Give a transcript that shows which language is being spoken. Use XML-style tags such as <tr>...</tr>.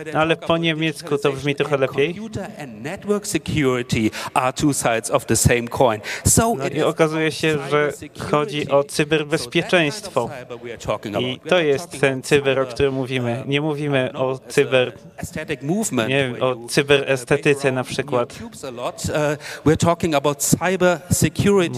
<pl>No, ale po niemiecku to brzmi trochę lepiej.</pl> <en>Computer and network security are two sides of the same coin.</en> <pl>So no, okazuje się, że chodzi o cyberbezpieczeństwo. I to jest ten cyber, o którym mówimy. Nie mówimy o cyber, nie wiem, o cyberestetyce na przykład.</pl> <en>We're talking about cyber security.</en>